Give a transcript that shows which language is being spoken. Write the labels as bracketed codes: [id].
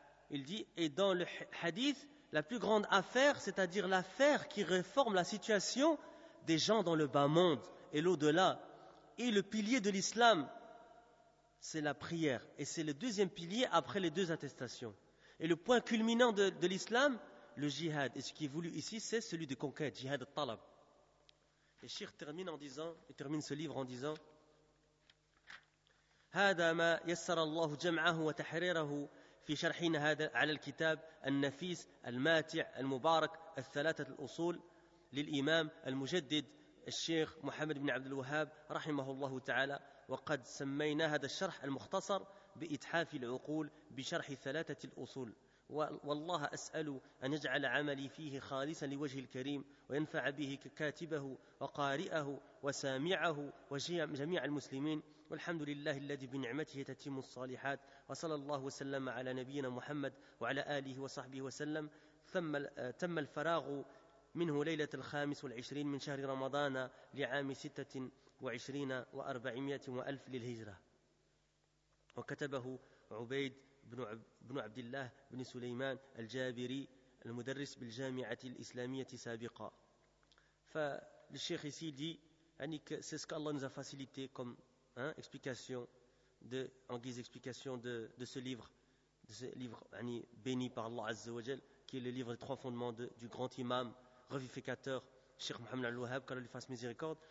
[fr] Il dit, et dans le hadith, la plus grande affaire, c'est-à-dire l'affaire qui réforme la situation des gens dans le bas monde et l'au-delà. Et le pilier de l'islam, c'est la prière. Et c'est le deuxième pilier après les deux attestations. Et le point culminant de l'islam, le jihad. Et ce qui est voulu ici, c'est celui de conquête, jihad al-talab. Et Shir termine en disant, [ar] il termine ce livre en disant, « هذا ما يسر الله جمعه وتحريره » في شرحنا هذا على الكتاب النفيس الماتع المبارك الثلاثة الأصول للإمام المجدد الشيخ محمد بن عبد الوهاب رحمه الله تعالى وقد سمينا هذا الشرح المختصر بإتحاف العقول بشرح ثلاثة الأصول والله أسأل أن يجعل عملي فيه خالصا لوجه الكريم وينفع به كاتبه وقارئه وسامعه وجميع المسلمين والحمد لله الذي بنعمته تتم الصالحات وصلى الله وسلم على نبينا محمد وعلى آله وصحبه وسلم ثم تم الفراغ منه ليلة الخامس والعشرين من شهر رمضان لعام 26,400 للهجرة وكتبه عبيد بن عبد الله بن سليمان الجابري المدرس بالجامعة الإسلامية سابقا. [fr] فالشيخ ici dit, يعني c'est ce qu'Allah nous a facilité comme explication de, en guise d'explication de ce livre يعني, béni par Allah Azza wa Jal, qui est le livre des trois fondements du grand imam revivificateur Cheikh Mohammed al-Wahhab, qu'Allah lui fasse miséricorde.